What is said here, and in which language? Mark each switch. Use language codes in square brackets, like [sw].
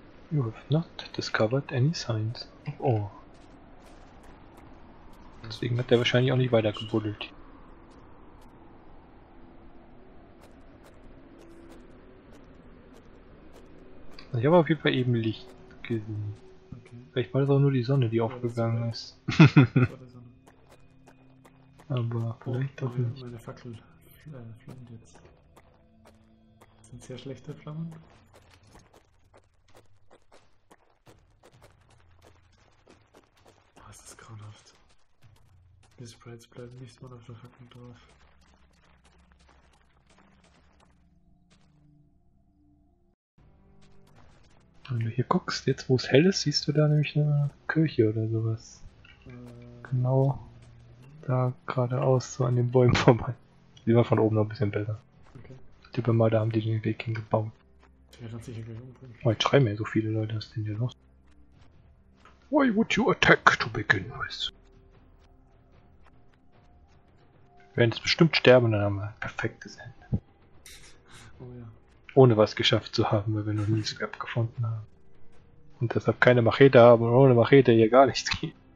[en] You have not discovered any signs of ore. [de] Deswegen hat er wahrscheinlich auch nicht weiter gebuddelt. Also ich habe auf jeden Fall eben Licht gesehen. Okay. Vielleicht war das auch nur die Sonne, die ja, aufgegangen ist. Aber oh, vielleicht doch meine, nicht. Meine Fackel flammt jetzt. Das sind sehr schlechte Flammen. Was ist grauenhaft. Die Sprites bleiben nicht mal auf der Fackel drauf. Wenn du hier guckst, jetzt wo es hell ist, siehst du da nämlich eine Kirche oder sowas. Genau da geradeaus, so an den Bäumen vorbei. Sieht man von oben noch ein bisschen besser. Okay. Tippe mal, da haben die den Weg hingebaut. Der kann sich hier gleich umbringen. Oh, jetzt schreiben ja so viele Leute, was ist denn hier los? [en] Why would you attack to begin with? [de] Wir werden jetzt bestimmt sterben, dann haben wir ein perfektes Ende. Oh ja. Ohne was geschafft zu haben, weil wir noch nie Scrap gefunden haben. Und deshalb keine Machete haben und ohne Machete hier gar nichts geht.